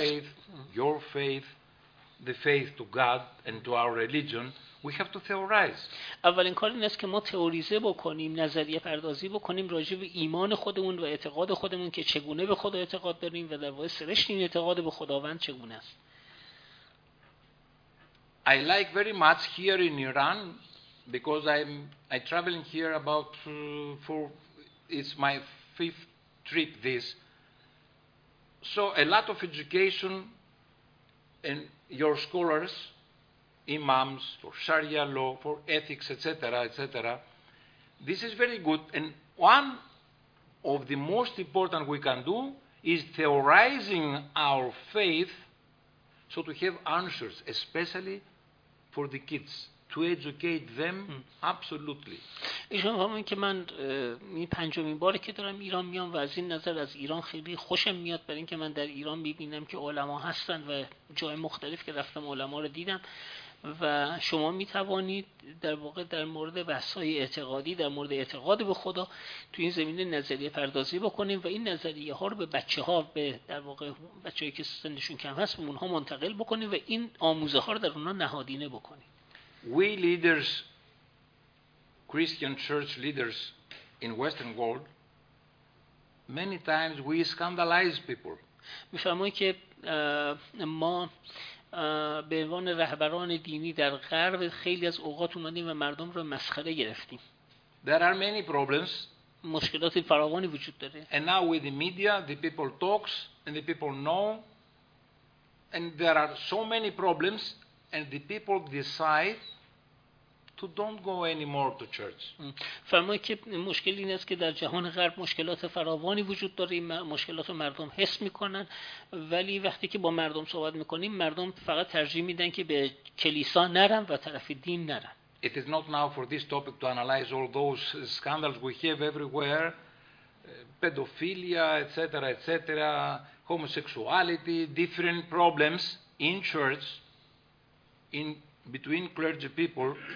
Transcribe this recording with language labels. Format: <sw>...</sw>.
<en>faith, your faith, the faith to God and to our religion, we have to theorize.</en> <fa>اولین کار این است که ما تئوریزه بکنیم، نظریه پردازی بکنیم راجع به ایمان خودمون و اعتقاد خودمون که چگونه به خدا اعتقاد داریم و در واقع سرشت این اعتقاد به خداوند چگونه است.</fa> <en>I like very much here in Iran because I'm traveling here about for it's my fifth trip this. So a lot of education and your scholars, imams, for Sharia law, for ethics, etc., etc. This is very good. And one of the most important we can do is theorizing our faith so to have answers, especially for the kids, to educate them absolutely.</en> <fa>ایشون فهمید که من این پنجمین باره که دارم ایران میام و از این نظر از ایران خیلی خوشم میاد، برای اینکه من در ایران میبینم که علما هستن و جای مختلف که رفتم علما رو دیدم و شما میتوانید در واقع در مورد بحث‌های اعتقادی، در مورد اعتقاد به خدا تو این زمینه نظریه پردازی بکنیم و این نظریه ها رو به بچه ها، به در واقع بچه هایی که سنشون کم هست، به اونها منتقل بکنیم و این آموزه ها رو در اونها نهادینه بکنیم.</fa> <en>We leaders, Christian church leaders in Western world, many times we scandalize people.</en> <fa>می‌فهمم که ما به عنوان رهبران دینی در غرب خیلی از اوقات اومدیم و مردم رو مسخره گرفتیم.</fa> <en>There are many problems.</en> <fa>مشکلات فراوانی وجود داره.</fa> <en>And now with the media, the people talks and the people know, and there are so many problems, and the people decide to don't go anymore to church.</en> <fa>فرمایید که مشکل این است که در جهان غرب مشکلات فراوانی وجود داره، مشکلات مردم حس میکنن، ولی وقتی که با مردم صحبت میکنیم مردم فقط ترجیح میدن که به کلیسا نرن و طرف دین نرن.</fa> <en>It is not now for this topic to analyze all those scandals we have everywhere, pedophilia, etc., etc., homosexuality, different problems in church, in between clergy people.</en>